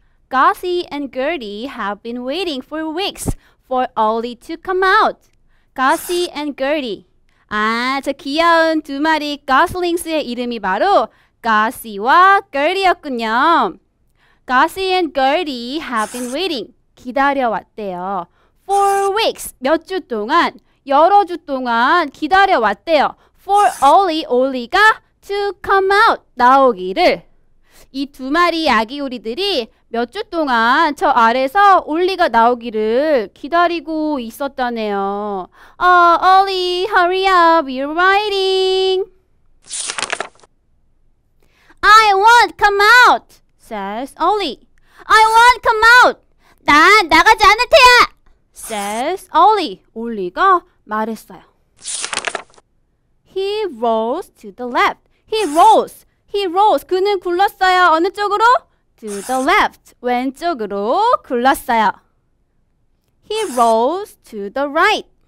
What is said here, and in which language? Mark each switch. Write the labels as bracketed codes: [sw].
[en] Gussie and Gertie have been waiting for weeks for Ollie to come out. Gussie and Gertie. [ko] 아, 저 귀여운 두 마리 goslings의 이름이 바로 Gussie와 Gertie였군요. [en] Gussie and Gertie have been waiting. [ko] 기다려왔대요. [en] For weeks. [ko] 몇 주 동안. 여러 주 동안 기다려왔대요. [en] For Ollie, Ollie가 to come out, [ko] 나오기를. 이 두 마리 아기 오리들이 몇 주 동안 저 알에서 올리가 나오기를 기다리고 있었다네요. [en] Ollie, hurry up, we're waiting. I won't come out, says Ollie. I won't come out. [ko] 난 나가지 않을 테야, [en] says Ollie. [ko] 올리가 말했어요. [en] He rolls to the left. He rolls. He rolls. [ko] 그는 굴렀어요. 어느 쪽으로? [en] To the left. [ko] 왼쪽으로 굴렀어요. [en] He rolls to the right.